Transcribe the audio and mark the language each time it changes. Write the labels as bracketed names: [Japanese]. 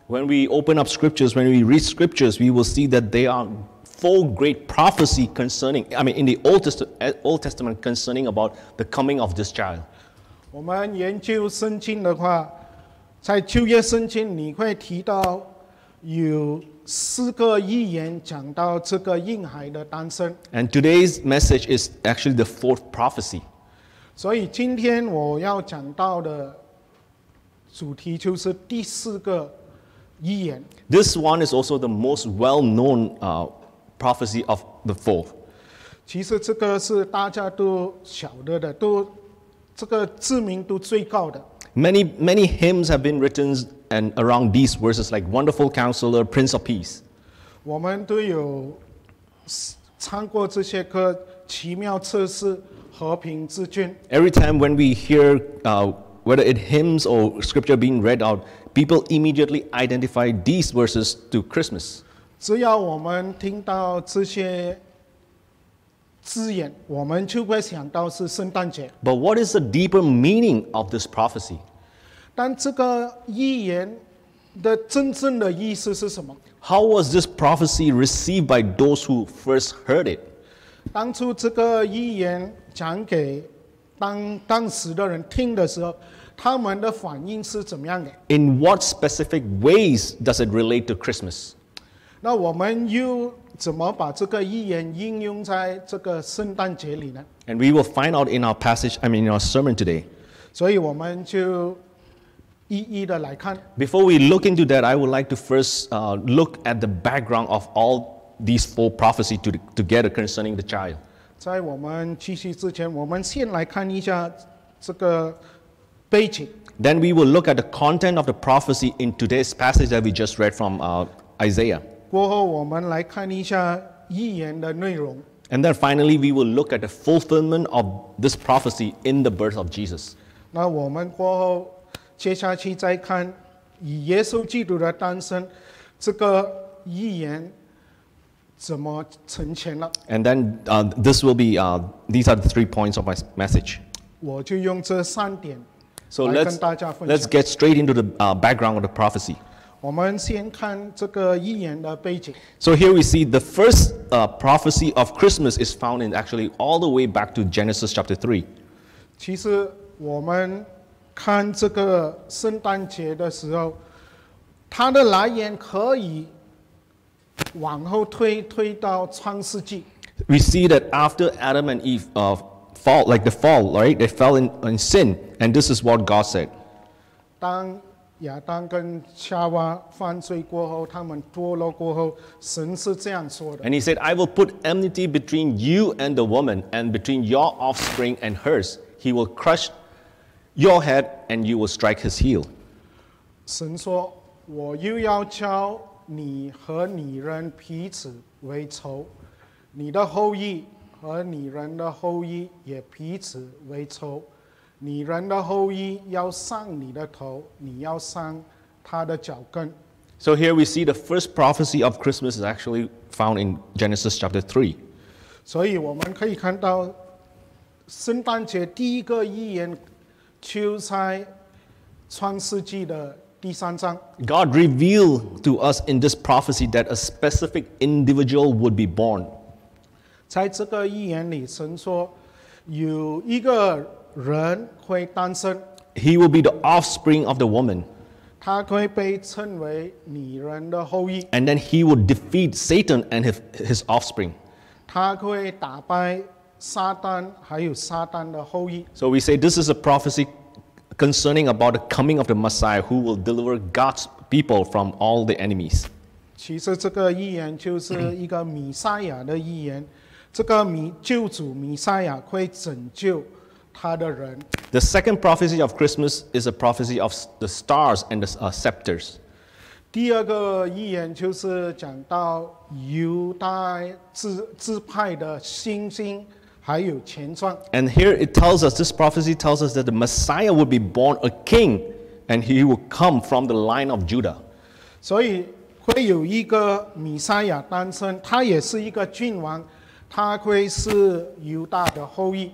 [English] When we open up scriptures, when we read scriptures, we will see that there are four great prophecy concerning, I mean, in the Old Testament concerning about the coming of this child. [Chinese] 我们研究圣经的话，在旧约圣经你会提到有 4个预言讲到这个婴孩的诞生。 [English] And today's message is actually the fourth prophecy. [Chinese] 所以今天我要讲到的主题就是第四个预言。 [English] This one is also the most well-known prophecy of the four. [Chinese] 其实这个是大家都晓得的，都这个知名度最高的。 [English] Many, many hymns have been written and around these verses, like Wonderful Counselor, Prince of Peace. [Chinese] 我们都有唱过这些歌，奇妙测试。 [English] Every time when we hear, whether it hymns or scripture being read out, people immediately identify these verses to Christmas. [Chinese] 只要我们听到这些字眼，我们就会想到是圣诞节。 [English] But what is the deeper meaning of this prophecy? [Chinese] 但这个预言的真正的意思是什么？ [English] How was this prophecy received by those who first heard it? [Chinese] 当初这个预言讲给 当时的人听的时候，他们的反应是怎么样的？ [English] In what specific ways does it relate to Christmas? [Chinese] 那我们又怎么把这个预言应用在这个圣诞节里呢？ [English] And we will find out in our passage, I mean in our sermon today. [Chinese] 所以我们就一一的来看。 [English] Before we look into that, I would like to first look at the background of all these four prophecies together concerning the child. [Chinese] 在我们继续之前，我们先来看一下这个背景。 [English] Then we will look at the content of the prophecy in today's passage that we just read from Isaiah. [Chinese] 过后我们来看一下预言的内容。 [English] And then finally we will look at the fulfillment of this prophecy in the birth of Jesus. [Chinese] 那我们过后接下去再看以耶稣基督的诞生这个预言。怎么成全了？ [English] And then this will be these are the three points of my message. [Chinese] 我就用这三点来跟大家分享。 [English] So let's get straight into the background of the prophecy. [Chinese] 我们先看这个预言的背景。 [English] So here we see the first prophecy of Christmas is found in actually all the way back to Genesis chapter 3. [Chinese] 其实我们看这个圣诞节的时候，它的来源可以。往后推推到创世纪。 [English] We see that after Adam and Eve fall, like the fall, right? They fell in sin, and this is what God said. [Chinese] 当亚当跟夏娃犯罪过后，他们堕落过后，神是这样说的。 [English] And He said, "I will put enmity between you and the woman, and between your offspring and hers. He will crush your head, and you will strike his heel." [Chinese] 神说，我又要叫你和女人彼此为仇，你的后裔和女人的后裔也彼此为仇。女人的后裔要伤你的头，你要伤他的脚跟。 [English] So here we see the first prophecy of Christmas is actually found in Genesis chapter 3. [Chinese] 所以我们可以看到，圣诞节第一个预言就在创世纪的。第三章 [English] God revealed to us in this prophecy that a specific individual would be born. [Chinese] 在这个预言里，神说有一个人会诞生。 [English] He will be the offspring of the woman. [Chinese] 他会被称为女人的后裔。 [English] And then he would defeat Satan and his offspring. [Chinese] 他会打败撒旦还有撒旦的后裔。 [English] So we say this is a prophecy. Concerning about the coming of the Messiah who will deliver God's people from all the enemies. [Chinese] 其实这个预言就是一个弥赛亚的预言，这个救主弥赛亚会拯救他的人。 [English] The second prophecy of Christmas is a prophecy of the stars and the scepters. [Chinese] 第二个预言就是讲到犹大支派的星星。 [English] And here it tells us, this prophecy tells us that the Messiah would be born a king and he would come from the line of Judah. [Chinese] 所以会有一个弥赛亚诞生，他也是一个君王，他会是犹大的后裔。